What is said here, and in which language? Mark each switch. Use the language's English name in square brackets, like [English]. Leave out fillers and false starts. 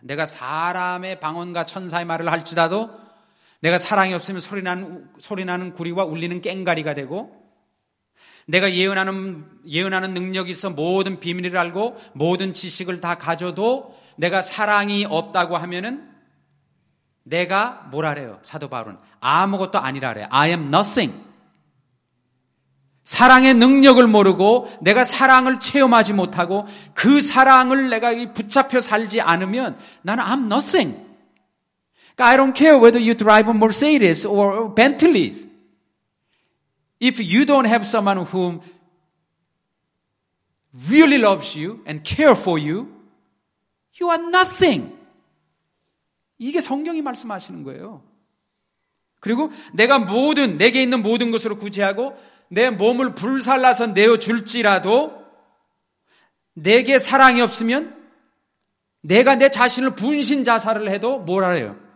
[Korean] 내가 사람의 방언과 천사의 말을 할지라도 내가 사랑이 없으면 소리나는 구리와 울리는 꽹가리가 되고, 내가 예언하는 능력이 있어 모든 비밀을 알고 모든 지식을 다 가져도 내가 사랑이 없다고 하면은 내가 뭐라래요? 사도 바울은 아무것도 아니라래요. [English] I am nothing. [Korean] 사랑의 능력을 모르고 내가 사랑을 체험하지 못하고 그 사랑을 내가 붙잡혀 살지 않으면 나는 [English] I'm nothing. I don't care whether you drive a Mercedes or Bentley's. If you don't have someone whom really loves you and care for you, you are nothing. [Korean] 이게 성경이 말씀하시는 거예요. 그리고 내가 모든, 내게 있는 모든 것으로 구제하고 내 몸을 불살라서 내어줄지라도 내게 사랑이 없으면 내가 내 자신을 분신자살을 해도 뭐라래요?